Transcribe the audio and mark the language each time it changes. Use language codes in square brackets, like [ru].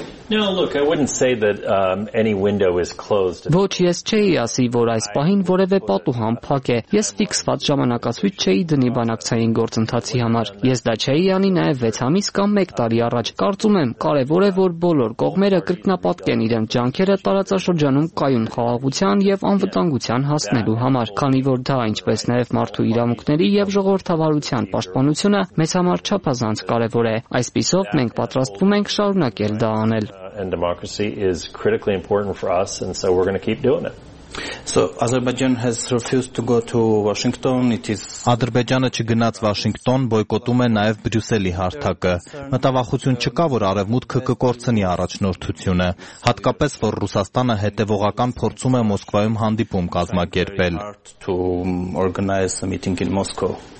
[en] No, look, I wouldn't say that any window is closed. [hy] Ոչ, ես չէի ասի, որ այս պահին որևէ պատուհան փակ է։ Ես ֆիքսված ժամանակացույց չէի դնի բանակցային գործընթացի համար։ Ես դա չէի անի նաև 6 ամիս կամ 1 տարի առաջ։ Կարծում եմ, կարևոր է, որ բոլոր կողմերը կրկնապատկեն իրենց ջանքերը տարածաշրջանում կայուն խաղաղության եւ անվտանգության հասնելու համար, քանի որ դա, ինչպես նաև մարդու իրավունքների եւ ժողովրդավարության պաշտպանությունը, մեզ համար չափազանց կարևոր է։ Այս պիսով մենք պատրաստվում ենք շարունակել դա անել։ [en] And democracy is critically important for us, and so we're going to keep doing it. So Azerbaijan has refused to go to Washington. It is [hy] Ադրբեջանը չգնաց Վաշինգտոն, բոյկոտում է նաև Բրյուսելի հարթակը։ Մտավախություն չկա, որ արևմուտքը կկորցնի առաջնորդությունը, հատկապես որ Ռուսաստանը հետևողական փորձում է Մոսկվայում հանդիպում կազմակերպել։ [en] To organize a meeting in Moscow.